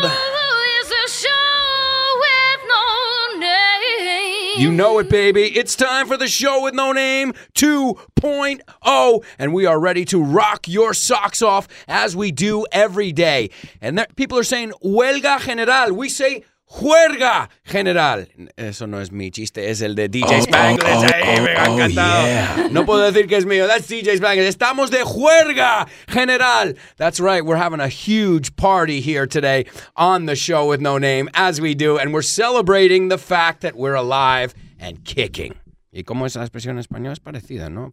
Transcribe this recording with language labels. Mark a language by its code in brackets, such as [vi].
[en] Who is a show with no name? You know it, baby. It's time for the show with no name 2.0, and we are ready to rock your socks off as we do every day. And there, people are saying, [es] huelga general. [en] We say, [es] juerga general. Eso no es mi chiste, es el de DJ Spanglish. No puedo decir que es mío. [en] That's DJ Spanglish. [es] Estamos de juerga general. [en] That's right. We're having a huge party here today on the show with no name, as we do. And we're celebrating the fact that we're alive and kicking. [es] ¿Y cómo es la expresión en español? Es parecida, ¿no?